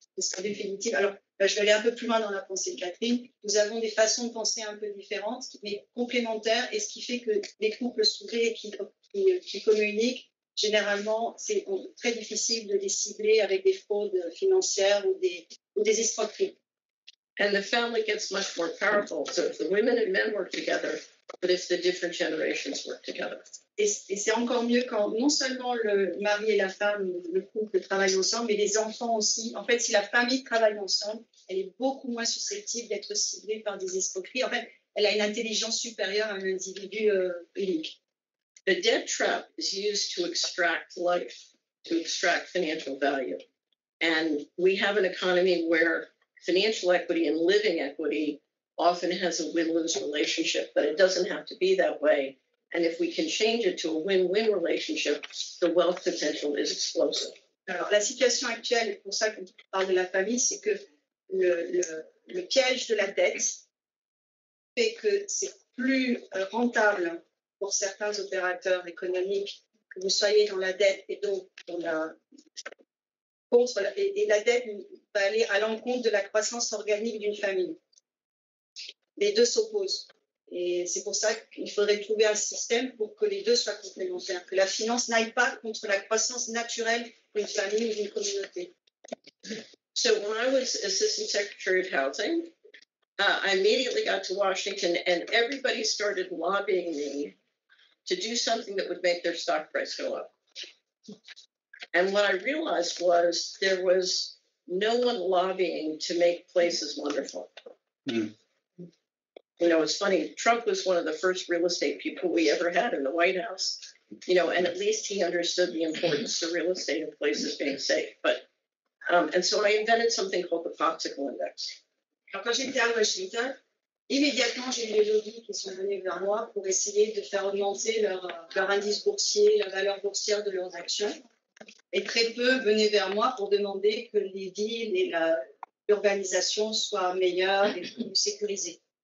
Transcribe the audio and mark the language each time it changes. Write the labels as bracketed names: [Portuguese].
[French] Parce qu'en définitive, alors là, je vais aller un peu plus loin dans la pensée de Catherine. Nous avons des façons de penser un peu différentes, mais complémentaires, et ce qui fait que les couples soudés qui communiquent, généralement, c'est très difficile de les cibler avec des fraudes financières ou des escroqueries. [English] And the family gets much more powerful. So if the women and men work together, but if the different generations work together. [French] Et c'est encore mieux quand non seulement le mari et la femme, le couple travaillent ensemble, mais les enfants aussi. En fait, si la famille travaille ensemble, elle est beaucoup moins susceptible d'être ciblée par des escroqueries. En fait, elle a une intelligence supérieure à un individu unique. [English] The debt trap is used to extract life, to extract financial value. And we have an economy where financial equity and living equity often has a win-lose relationship, but it doesn't have to be that way. And if we can change it to a win-win relationship, the wealth potential is explosive. [French] Alors, la situation actuelle, pour ça qu'on parle de la famille, c'est que le piège de la dette fait que c'est plus rentable pour certains opérateurs économiques, que vous soyez dans la dette et donc la dette va aller à l'encontre de la croissance organique d'une famille. Les deux s'opposent. Et c'est pour ça qu'il faudrait trouver un système pour que les deux soient complémentaires, que la finance n'aille pas contre la croissance naturelle d'une famille ou d'une communauté. [English] So when I was Assistant Secretary of Housing, I immediately got to Washington and everybody started lobbying me to do something that would make their stock price go up. And what I realized was there was no one lobbying to make places wonderful. Mm. You know, it's funny, Trump was one of the first real estate people we ever had in the White House, you know, and at least he understood the importance of real estate and places being safe. But and so I invented something called the Popsicle Index. [French] Alors, quand j'étais à Washington, immédiatement, j'ai eu les lobbies qui sont venus vers moi pour essayer de faire augmenter leur indice boursier, la valeur boursière de leurs actions. Et très peu venaient vers moi pour demander que les villes et l'urbanisation soient meilleures et plus sécurisées.